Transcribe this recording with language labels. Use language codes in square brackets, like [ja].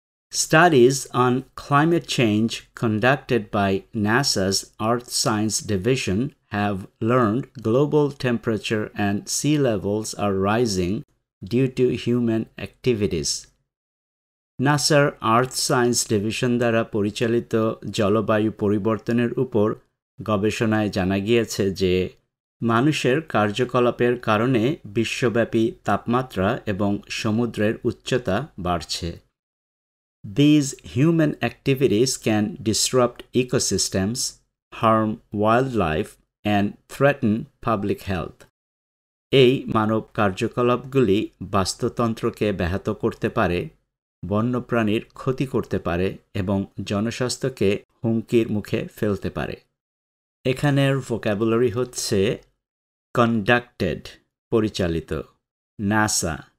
[en] Studies on climate change conducted by NASA's Earth Science Division have learned global temperature and sea levels are rising due to human activities. [bn] NASA's Earth Science Division দ্বারা পরিচালিত জলবায়ু পরিবর্তনের উপর গবেষণায় জানা গিয়েছে যে মানুষের কার্যকলাপের কারণে বিশ্বব্যাপী তাপমাত্রা এবং সমুদ্রের উচ্চতা বাড়ছে. [en] These human activities can disrupt ecosystems, harm wildlife, and threaten public health. [bn] এই মানব কার্যকলাপগুলি বাস্তুতন্ত্রকে ব্যাহত করতে পারে, বন্যপ্রাণীর ক্ষতি করতে পারে এবং জনস্বাস্থ্যকে হুমকির মুখে ফেলতে পারে. এখানের ভোকাবুলারি হচ্ছে conducted পরিচালিত, NASA.